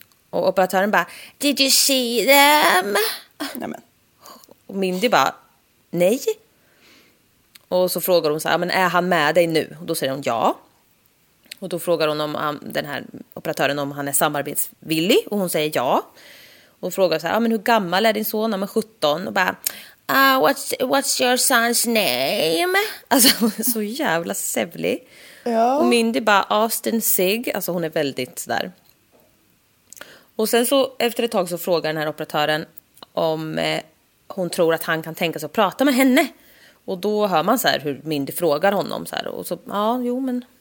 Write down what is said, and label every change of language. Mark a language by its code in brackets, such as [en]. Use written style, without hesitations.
[sv] Och operatören bara, [en] did you see them? [sv] Nej, men. Och Mindy bara, nej. Och så frågar hon så här, men är han med dig nu? Och då säger hon ja. Och då frågar hon om den här operatören om han är samarbetsvillig. Och hon säger ja. Och frågar så här, ah, men hur gammal är din son? Han är 17. Och bara, [en] ah, what's your son's name? [sv] Alltså hon är så jävla sävlig. Ja. Och Mindy bara, Austin Sigg. Alltså hon är väldigt sådär. Och sen så efter ett tag så frågar den här operatören om hon tror att han kan tänka sig att prata med henne. Och då hör man så här hur Mindy frågar honom. Så här, och så, ja, ah, jo men...